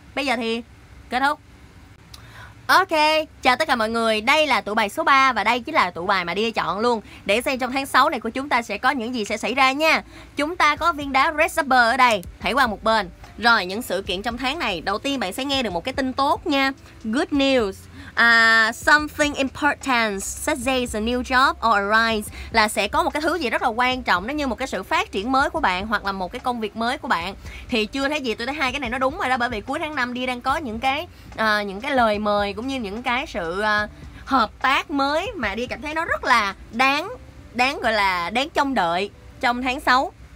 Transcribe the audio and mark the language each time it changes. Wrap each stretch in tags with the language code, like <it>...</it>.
<vi>Bây giờ thì kết thúc. Ok, chào tất cả mọi người, đây là tụ bài số 3 và đây chính là tụ bài mà Đi chọn luôn. Để xem trong tháng 6 này của chúng ta sẽ có những gì sẽ xảy ra nha. Chúng ta có viên đá Resolver ở đây, thảy qua một bên. Rồi, những sự kiện trong tháng này, đầu tiên bạn sẽ nghe được một cái tin tốt nha.</vi> <en>Good news, something important, such as a new job or arise.</en> <vi>Là sẽ có một cái thứ gì rất là quan trọng, nó như một cái sự phát triển mới của bạn hoặc là một cái công việc mới của bạn. Thì chưa thấy gì, tôi thấy hai cái này nó đúng rồi đó. Bởi vì cuối tháng 5 Đi đang có những cái lời mời cũng như những cái sự hợp tác mới mà Đi cảm thấy nó rất là đáng gọi là đáng trông đợi trong tháng 6.</vi>